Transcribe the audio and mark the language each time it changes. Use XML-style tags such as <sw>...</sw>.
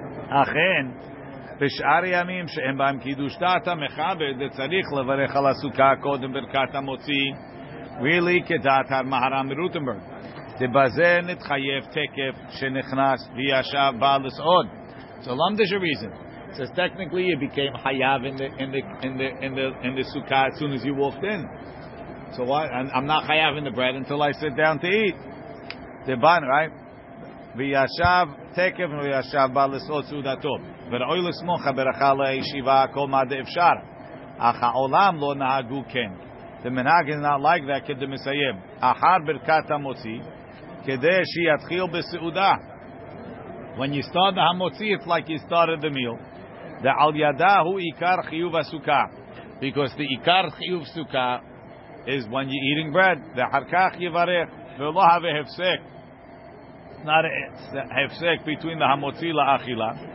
<he>Achen, בשאר ימים שאין בהם קידוש דעת המחבד, צריך לברך על הסוכה קודם ברכת המוציא. Really, כדעת המהר"ם מרוטנברג. בזה נתחייב תקף שנכנס וישב בעל לסעוד.</he> <en>So long there's a reason. It says technically you became חייב in the sukkah as soon as you walked in. So what? I'm not חייב in the bread until I sit down to eat.</en> <he>דבן, right? וישב תקף וישב בעל לסעוד סעודתו. וראוי לסמוך הברכה לישיבה כל מה דאפשר, אך העולם לא נהגו כן.</he> <en>The מנהג is not like that,</en> <he>כדי מסיים. אחר ברכת המוציא, כדי שיתחיל בסעודה.</he> <en>When you start the המוציא, it's like you started the meal.</en> <he>ועל ידה הוא עיקר חיוב הסוכה.</he> <en>Because the עיקר חיוב סוכה is when you're eating bread.</en> <he>ואחר כך יברך, ולא הווה הפסק. Not הפסק between the המוציא לאכילה.</he>